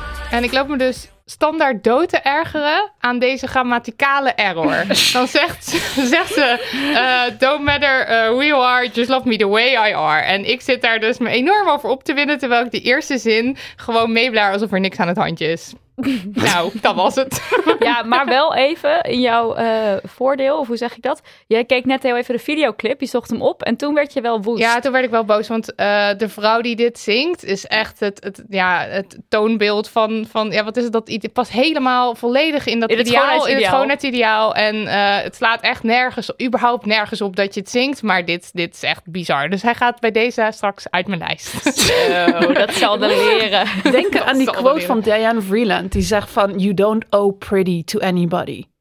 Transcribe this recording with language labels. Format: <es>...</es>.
<nl>En ik loop me dus standaard dood te ergeren aan deze grammaticale error. Dan zegt ze,</nl> <en>don't matter who you are, just love me the way I are.</en> <nl>En ik zit daar dus me enorm over op te winnen, terwijl ik de eerste zin gewoon meeblaar alsof er niks aan het handje is. Nou, dat was het. Ja, maar wel even in jouw voordeel, of hoe zeg ik dat? Jij keek net heel even de videoclip, je zocht hem op en toen werd je wel woest. Ja, toen werd ik wel boos, want de vrouw die dit zingt is echt het toonbeeld van ja, wat is het? Het past helemaal volledig in dat ideaal, in het schoonheidsideaal. En het slaat echt nergens, überhaupt nergens op dat je het zingt, maar dit is echt bizar. Dus hij gaat bij deze straks uit mijn lijst. Zo, dat zal dan leren. Denk aan die quote van Diane Vreeland. Die zegt van,</nl> <en>you don't owe pretty to anybody.</en>